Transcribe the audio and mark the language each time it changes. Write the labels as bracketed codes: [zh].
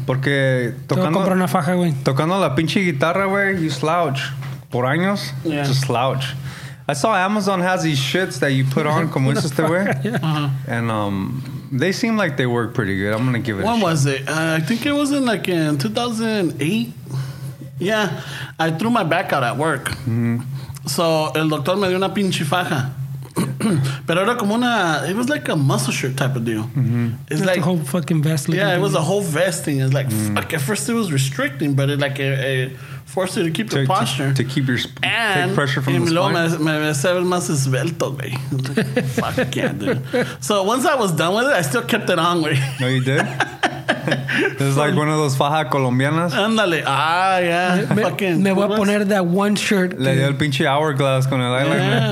[es] Porque tocando la pinche guitarra, güey, [en] you slouch. [es] Por años, [en] yeah. Just slouch. I saw Amazon has these shits that you put on, [es] como dices te wey. [en] And they seem like they work pretty good. I'm going to give it a shot. When was it? I think it was in like in 2008. Yeah, I threw my back out at work. [es] So, el doctor me dio una pinche faja. Pero era como una, [en] it was like a muscle shirt type of deal. Mm-hmm. It's like a whole fucking vest. Yeah, it was a whole vest thing. It's like, fuck, at first it was restricting, but it like a forced you to keep your posture. To keep your and take pressure from the spine. [es] Y luego me hace ver más esbelto, güey. [en] Fuck, yeah, dude. So once I was done with it, I still kept it on, güey. No, you did? This is like one of those faja colombianas. [es] Ándale. [en] Ah, yeah. [es] Me voy a poner [en] that one shirt. [es] Le dio el pinche hourglass con el eyeliner.